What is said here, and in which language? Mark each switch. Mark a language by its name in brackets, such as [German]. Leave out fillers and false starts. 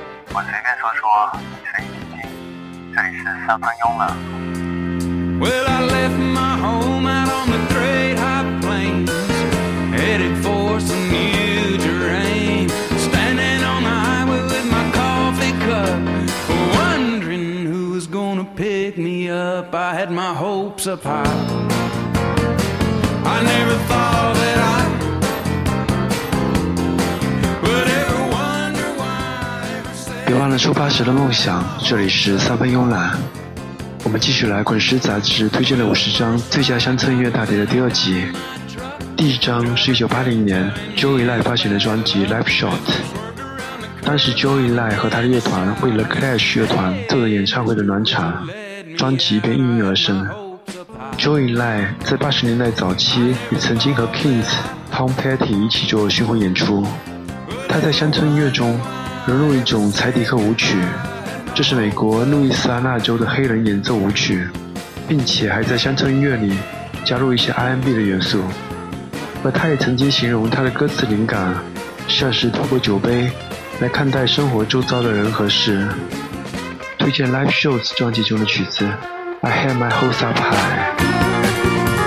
[Chinese] 我随便说说，随意听听，这里是三分慵懒。 [English] Well, I left my home out on the great high plains, headed for some new terrain. Standing on the highway with my coffee cup, wondering who was gonna pick me up. I had my hopes up high. I never thought that I would ever wonder why. [Chinese] 别忘了出发时的梦想，这里是三分慵懒。我们继续来滚石杂志推荐了50张最佳乡村音乐大碟的第二集。第一张是1980年 Joey Lai 发行的专辑 Live Shot。当时 Joey Lai 和他的乐团为了 Clash 乐团做的演唱会的暖场专辑便应运而生。 Joey Lai 在80年代早期也曾经和 Kings Tom Petty 一起做巡回演出。他在乡村音乐中融入一种柴迪克舞曲，这是美国路易斯安那州的黑人演奏舞曲，并且还在乡村音乐里加入一些 R&B 的元素。而他也曾经形容他的歌词灵感像是透过酒杯来看待生活周遭的人和事。推荐 Live Shows 专辑中的曲子 I Had My Hopes Up High。